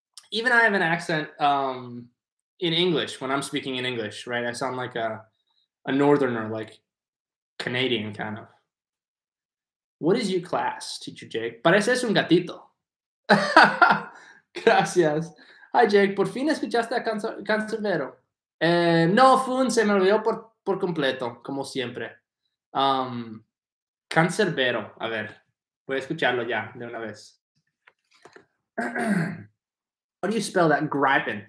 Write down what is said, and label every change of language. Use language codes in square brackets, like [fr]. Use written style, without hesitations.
[en] Even I have an accent in English when I'm speaking in English, right? I sound like a northerner, like Canadian kind of. What is your class, Teacher Jake? [es] Pareces un gatito. Gracias. Hi, Jake. Por fin escuchaste a Cancerbero. No, Fun, se me olvidó por completo, como siempre. Cancerbero. A ver, voy a escucharlo ya de una vez. [en] How do you spell that griping?